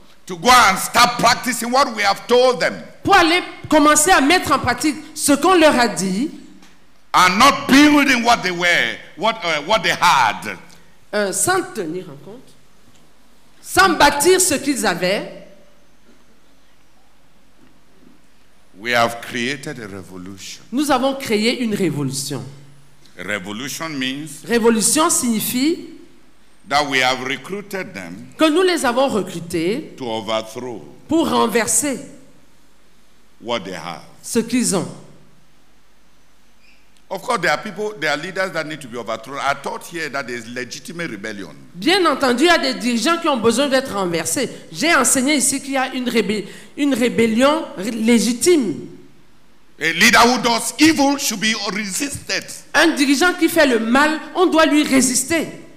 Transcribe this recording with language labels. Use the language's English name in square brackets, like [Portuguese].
[English] to go and start practicing what we have told them, [French] pour aller commencer à mettre en pratique ce qu'on leur a dit [English] and not building what they were, what they had, [French] sans tenir en compte, sans bâtir ce qu'ils avaient, [English] we have created a revolution. [French] Nous avons créé une révolution. [English] Revolution means [French] révolution signifie [English] that we have recruited them [French] que nous les avons recrutés [English] to overthrow [French] pour renverser [English] what they have. [French] Ce qu'ils ont. [English] Of course, there are people, there are leaders that need to be overthrown. I taught here that there is legitimate rebellion. [French] Bien entendu, il y a des dirigeants qui ont besoin d'être renversés. J'ai enseigné ici qu'il y a une rébellion légitime. [English] A leader who does evil should be resisted. [French] Un dirigeant qui fait le mal, on doit lui résister.